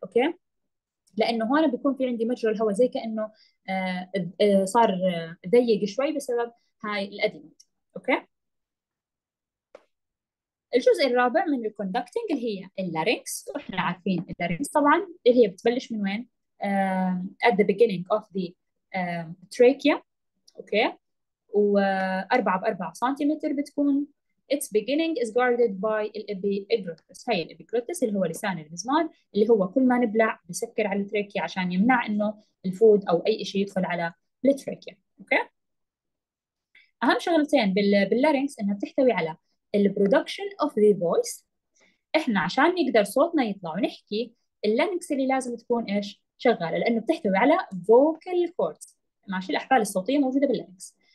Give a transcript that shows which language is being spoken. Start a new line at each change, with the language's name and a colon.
Arabic: اوكي، لانه هون بيكون في عندي مجرى الهواء زي كانه صار ضيق شوي بسبب هاي الادينويد. اوكي، الجزء الرابع من الكوندكتنج اللي هي اللارينكس، واحنا عارفين اللارينكس طبعا اللي هي بتبلش من وين؟
English: at the beginning of the trachea.
Arabic: اوكي، و4 ب 4 سنتيمتر بتكون.
English: its beginning is guarded by the epiglottis.
Arabic: هاي الابيجلوتس اللي هو لسان المزمار، اللي هو كل ما نبلع بسكر على التراكيا عشان يمنع انه الفود او اي شيء يدخل على التراكيا. اوكي، اهم شغلتين باللارينكس انها بتحتوي على البرودكشن اوف ذا فويس. احنا عشان نقدر صوتنا يطلع ونحكي اللارينكس اللي لازم تكون ايش؟ شغاله، لانه بتحتوي على فوكال كوردز، ماشي، الاحبال الصوتيه موجوده باللارينكس.